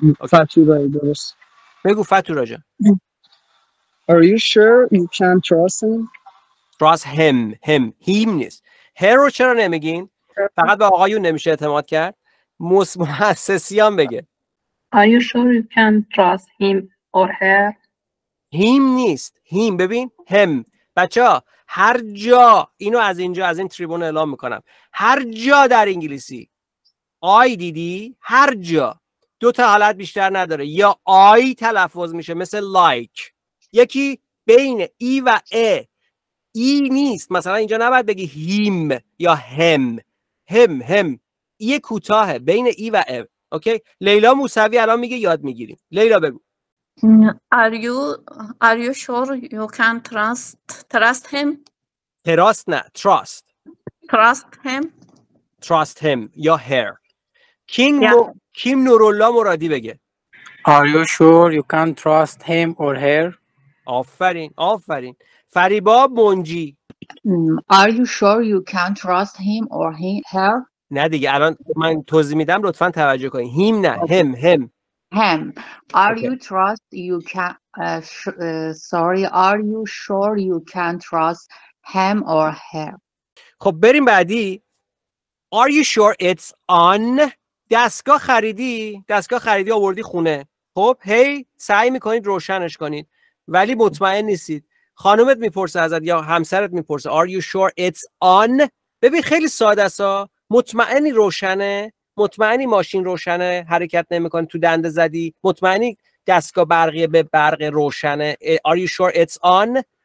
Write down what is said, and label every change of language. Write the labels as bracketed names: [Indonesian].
[Persian] فتورایی درست بگو فتورا جان [English] Are you sure you can trust him? Trust him him him [Persian] نیست هر رو چرا نمیگین؟ فقط به آقایون نمیشه اعتماد کرد مؤسسیان بگه [English] Are you sure you can trust him or her? [Persian] هیم نیست هیم ببین هم بچه ها هر جا اینو از اینجا از این تریبون اعلام میکنم هر جا در انگلیسی آی دیدی هر جا دو تا حالت بیشتر نداره یا آی تلفظ میشه مثل لایک یکی بین ای و ا ای نیست مثلا اینجا نباید بگی هیم یا هم هم هم ای کوتاهه بین ای و ا اوکی لیلا موسوی الان میگه یاد میگیریم لیلا بگو [English] Are you sure you can trust him? Trust [Persian] نه [English] trust. Trust him. Trust him [Persian] یا her. [English] King yeah. [Persian] کیم نورالا مرادی بگه. [English] Are you sure you can trust him or her? [Persian] آفرین آفرین. فریبا منجی. [English] Are you sure you can trust him or her? [Persian] نه دیگه الان من توضیح میدم لطفا توجه کنید. [English] Him [Persian] نه [English] okay. him him. Him. Are okay. you trust you can? Sorry. Are you sure you can trust him or her? [Persian] خب بریم بعدی. [English] Are you sure it's on? [Persian] دستگاه خریدی؟ دستگاه خریدی آوردی خونه. خب هی سعی میکنید روشنش کنید. ولی مطمئن نیستید. خانومت میپرسه ازت یا همسرت میپرسه. [English] Are you sure it's on? [Persian] ببین خیلی ساده است. مطمئنی روشنه؟ مطمئنی ماشین روشنه حرکت نمیکنه تو دنده زدی مطمئنی دستگاه برقی به برق روشنه [English] Are you sure it's on?